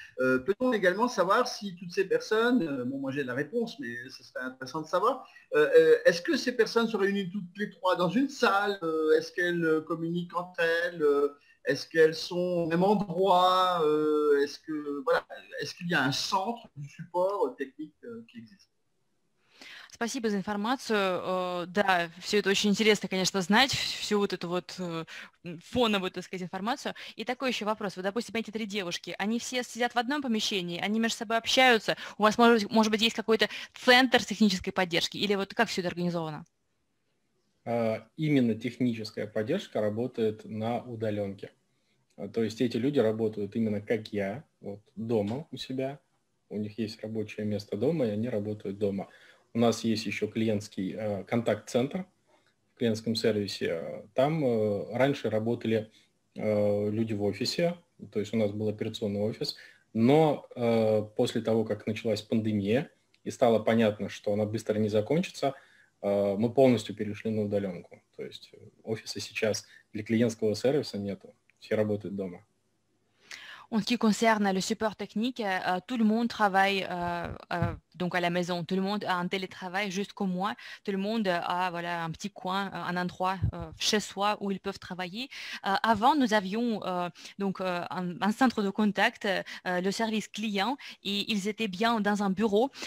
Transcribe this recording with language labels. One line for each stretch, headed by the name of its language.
French: Peut-on également savoir si toutes ces personnes, bon moi j'ai la réponse, mais ce serait intéressant de savoir, est-ce que ces personnes se réunissent toutes les trois dans une salle? Est-ce qu'elles communiquent entre elles? Est-ce qu'elles sont au même endroit? Est-ce que voilà, est-ce qu'il y a un centre du support technique qui existe?
Russian: Спасибо за информацию. Да, все это очень интересно, конечно, знать, всю вот эту вот фоновую, так сказать, информацию. И такой еще вопрос. Вот, допустим, эти три девушки, они все сидят в одном помещении, они между собой общаются, у вас, может быть, есть какой-то центр технической поддержки, или вот как все это организовано? Именно техническая поддержка работает на удаленке. То есть эти люди работают именно как я, вот дома у себя, у них есть рабочее место дома, и они работают дома. У нас есть еще клиентский контакт-центр в клиентском сервисе. Там раньше работали люди в офисе, то есть у нас был операционный офис. Но после того, как началась пандемия и стало понятно, что она быстро не закончится, мы полностью перешли на удаленку. То есть офиса сейчас для клиентского сервиса нету, все работают дома.
French: En ce qui concerne le support technique, tout le monde travaille donc à la maison. Tout le monde a un télétravail juste comme moi. Tout le monde a voilà, un petit coin, un endroit chez soi où ils peuvent travailler. Avant, nous avions donc un centre de contact, le service client, et ils étaient bien dans un bureau.